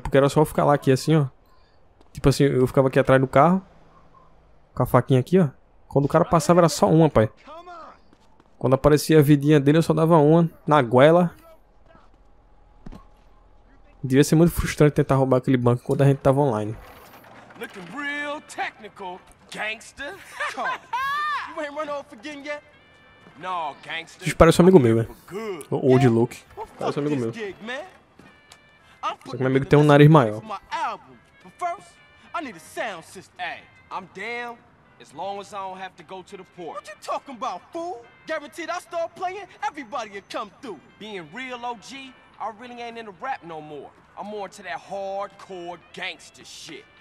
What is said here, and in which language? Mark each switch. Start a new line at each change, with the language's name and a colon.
Portuguese: Porque era só eu ficar lá aqui assim, ó. Tipo assim, eu ficava aqui atrás do carro. Com a faquinha aqui, ó. Quando o cara passava, era só uma, pai. Quando aparecia a vidinha dele, eu só dava uma. Na goela. Devia ser muito frustrante tentar roubar aquele banco quando a gente tava online.
English: Looking real technical, gangster. You ain't run off again yet? No, gangster.
Portuguese: Isso parece um amigo meu, velho.
English: Old look.
Portuguese: Parece um amigo meu. Só que meu amigo tem um nariz maior.
English: But first, I need a sound system. Hey, I'm down as long as I don't have to go to the port. What you talking about, fool? Guaranteed I start playing, everybody will come through. Being real OG. I really ain't into rap no more. I'm more into that hardcore gangster shit.